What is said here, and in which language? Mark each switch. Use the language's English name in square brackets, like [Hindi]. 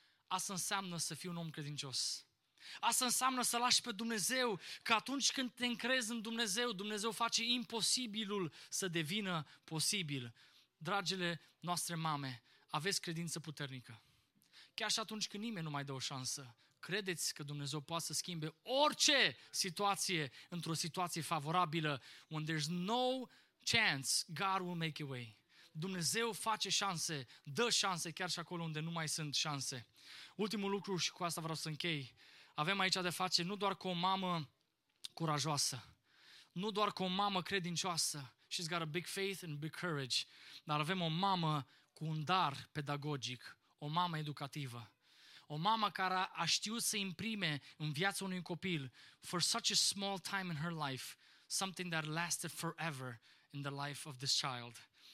[Romanian] Asta înseamnă să fii un om credincios. Asta înseamnă să lași pe Dumnezeu, că atunci când te încrezi în Dumnezeu, Dumnezeu face imposibilul să devină posibil. Dragile noastre mame, aveți credință puternică. Chiar și atunci când nimeni nu mai dă o șansă, credeți că Dumnezeu poate să schimbe orice situație într-o situație favorabilă. [English] When there's no chance, God will make a way. [Romanian] Dumnezeu face șanse, dă șanse chiar și acolo unde nu mai sunt șanse. Ultimul lucru și cu asta vreau să închei. Avem aici de face nu doar cu o mamă curajoasă, nu doar cu o mamă credincioasă, [English] she's got a big faith and big courage, [Romanian] dar avem o mamă cu un dar pedagogic, o mamă educativă, o mamă care a știut să imprime în viața unui copil, [English] for such a small time in her life, something that lasted forever in the life of this child.